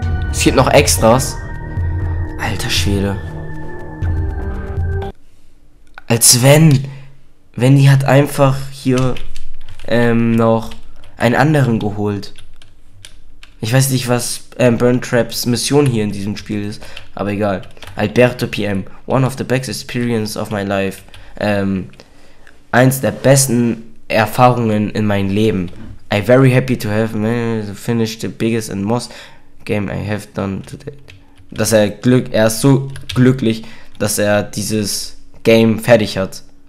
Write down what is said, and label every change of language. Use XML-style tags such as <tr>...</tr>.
<de>Es gibt noch Extras. Alter Schwede. Als wenn. Wendy hat einfach hier noch einen anderen geholt. Ich weiß nicht, was Burn Traps Mission hier in diesem Spiel ist. Aber egal. Alberto PM.</de> <en>One of the best experience of my life.</en> <de>Eins der besten Erfahrungen in meinem Leben.</de> <en>I'm very happy to have finished the biggest and most game I have done to date.</en> <de>Er ist so glücklich, dass er dieses Game fertig hat.</de>